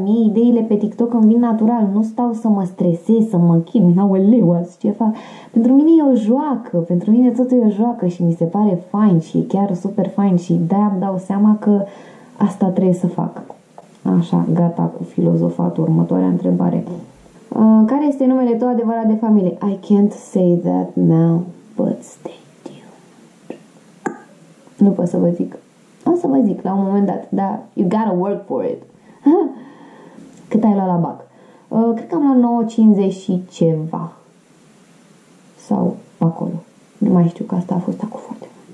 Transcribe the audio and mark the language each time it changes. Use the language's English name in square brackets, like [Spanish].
[Romanian] Mie ideile pe TikTok îmi vin natural, nu stau să mă stresez, să mă chim, aoleu, azi ce fac? Pentru mine e o joacă, pentru mine totul e o joacă și mi se pare fain și e chiar super fain și de-aia îmi dau seama că asta trebuie să fac. Așa, gata cu filozofatul. Următoarea întrebare. Care este numele tău adevărat de familie? [English] I can't say that now, but stay tuned. [Romanian] Nu pot să vă zic. O să vă zic la un moment dat, dar [English] you gotta work for it. [Romanian] Cât ai luat la BAC? Cred că am luat 9,50 și ceva. Sau acolo. Nu mai știu, că asta a fost acum foarte.